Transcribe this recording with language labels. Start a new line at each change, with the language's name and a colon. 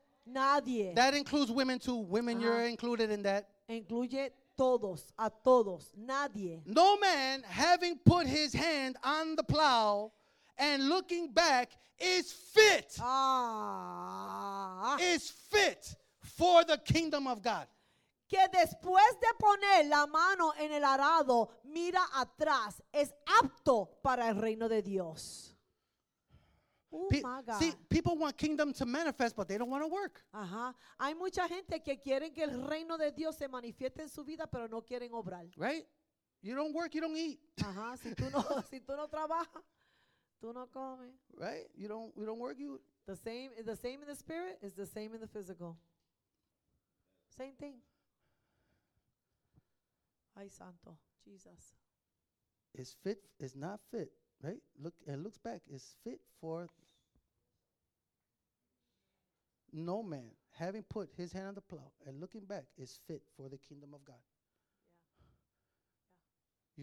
Spanish: Nadie.
English: That includes women too. Women, uh-huh. You're included in that.
Spanish: Incluye todos, a todos, nadie.
English: No man, having put his hand on the plow and looking back, is fit. Ah. Is fit for the kingdom of God.
Spanish: Que después de poner la mano en el arado, mira atrás, es apto para el reino de Dios.
English: See, people want kingdom to manifest, but they don't want to work. Ajá.
Spanish: Hay mucha gente que quieren que el reino de Dios se manifieste en su vida, pero no quieren obrar.
English: Right? You don't work, you don't eat. Ajá.
Spanish: Si tú no, si tú no trabajas, tú no comes.
English: Right? You don't work, you. The same in the spirit is the same in the physical. Same thing.
Spanish: Ay, santo, Jesus.
English: It's fit. It's not fit. Right? Look, it looks back. It's fit for no man, having put his hand on the plow and looking back, is fit for the kingdom of God. Yeah. Yeah.